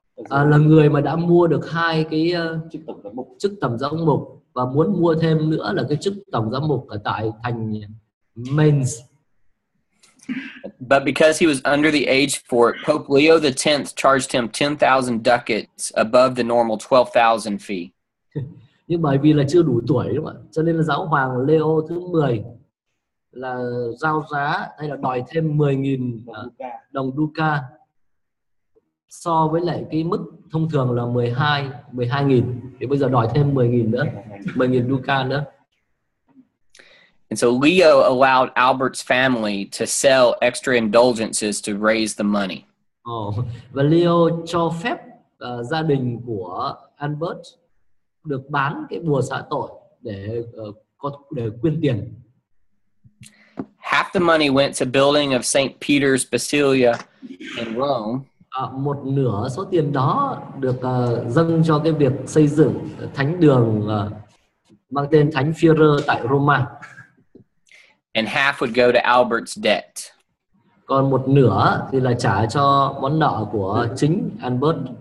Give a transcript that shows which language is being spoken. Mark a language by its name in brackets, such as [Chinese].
[Vietnamese] Là người mà đã mua được hai cái chức tổng giám mục và muốn mua thêm nữa là cái chức tổng giám mục ở tại thành Mainz. [English] But because he was under the age for it, Pope Leo X charged him 10,000 ducats above the normal 12,000 fee. [Vietnamese] Nhưng bởi vì là chưa đủ tuổi đúng không ạ? Cho nên là giáo hoàng Leo thứ 10 là giao giá hay là đòi thêm 10.000 đồng Duca so với lại cái mức thông thường là 12.000, thì bây giờ đòi thêm 10.000 nữa, 10.000 Duca nữa. [English] And so Leo allowed Albert's family to sell extra indulgences to raise the money. [Vietnamese] Và Leo cho phép gia đình của Albert được bán cái bùa xá tội để quyên tiền. [English] Half the money went to building of St. Peter's Basilica in Rome. [Vietnamese] Một nửa số tiền đó được dâng cho cái việc xây dựng thánh đường mang tên Thánh Phi-rơ tại Roma. [English] And half would go to Albert's debt. [Vietnamese] Còn một nửa thì là trả cho món nợ của chính Albert.